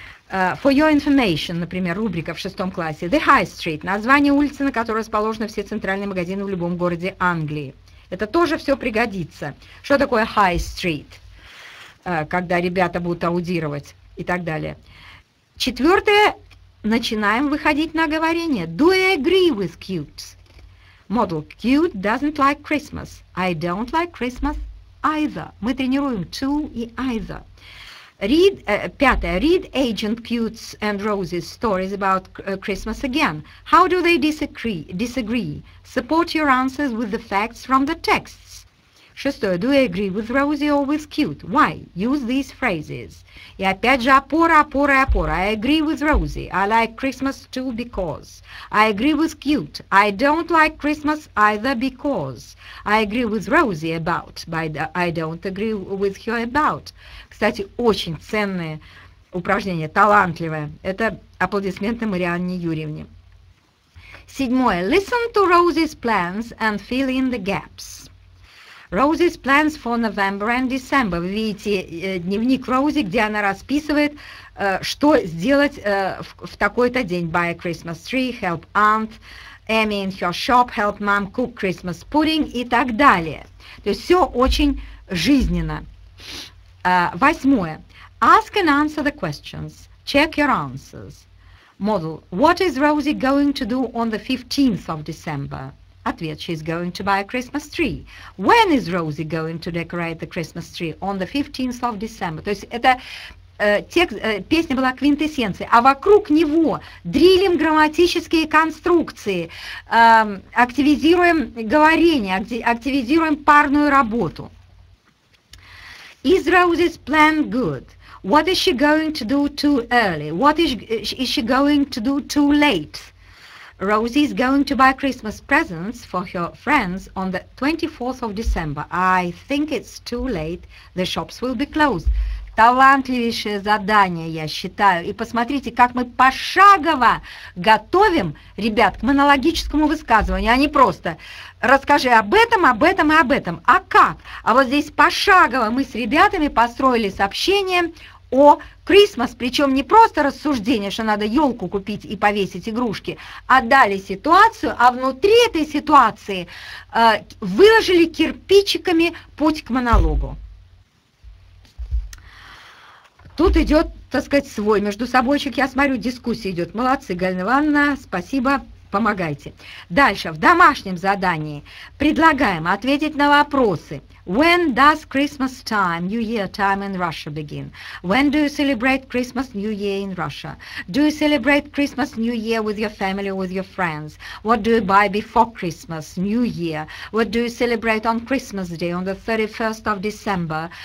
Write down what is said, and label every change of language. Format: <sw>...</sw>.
<en>For your information,</en> <ru>например, рубрика в шестом классе. The High Street, название улицы, на которой расположены все центральные магазины в любом городе Англии. Это тоже все пригодится. Что такое High Street, когда ребята будут аудировать и так далее. Четвертое начинаем выходить на оговорение.</ru> <en>Do I agree with Cute? Model Cute doesn't like Christmas. I don't like Christmas either.</en> <ru>Мы тренируем to и either.</ru> <en>Read Agent Cute's and Rosie's stories about Christmas again. How do they disagree? Support your answers with the facts from the texts.</en> <ru>Шестое.</ru> <en>Do you agree with Rosie or with Cute? Why? Use these phrases.</en> <ru>И опять же опора.</ru> <en>I agree with Rosie. I like Christmas too because. I agree with Cute. I don't like Christmas either because. I agree with Rosie about, but I don't agree with her about.</en> <ru>Кстати, очень ценное упражнение, талантливое. Это аплодисменты Марианне Юрьевне. Седьмое.</ru> <en>Listen to Rosie's plans and fill in the gaps. Rosie's plans for November and December.</en> <ru>Вы видите дневник Рози, где она расписывает, что сделать в такой-то день.</ru> <en>Buy a Christmas tree, help Aunt Amy in her shop, help Mom cook Christmas pudding</en> <ru>и так далее. То есть все очень жизненно. Восьмое.</ru> <en>Ask and answer the questions. Check your answers. Model. What is Rosie going to do on the 15th of December?</en> <ru>Ответ.</ru> <en>She's going to buy a Christmas tree. When is Rosie going to decorate the Christmas tree? On the 15th of December.</en> <ru>То есть это песня была квинтэссенцией, а вокруг него дрилим грамматические конструкции, активизируем говорение, активизируем парную работу.</ru> <en>Is Rosie's plan good? What is she going to do too early? What is she going to do too late? Rosie is going to buy Christmas presents for her friends on the 24th of December. I think it's too late. The shops will be closed.</en> <ru>Талантливейшее задание, я считаю. И посмотрите, как мы пошагово готовим ребят к монологическому высказыванию, а не просто расскажи об этом, об этом и об этом. А как? А вот здесь пошагово мы с ребятами построили сообщение о Christmas, причем не просто рассуждение, что надо елку купить и повесить игрушки, а дали ситуацию, а внутри этой ситуации выложили кирпичиками путь к монологу. Тут идет, так сказать, свой междусобойчик. Я смотрю, дискуссия идет. Молодцы, Галина Ивановна, спасибо, помогайте. Дальше, в домашнем задании предлагаем ответить на вопросы.</ru> <en>When does Christmas time, New Year time in Russia begin? When do you celebrate Christmas, New Year in Russia? Do you celebrate Christmas, New Year with your family or with your friends? What do you buy before Christmas, New Year? What do you celebrate on Christmas Day, on the 31st of December?</en>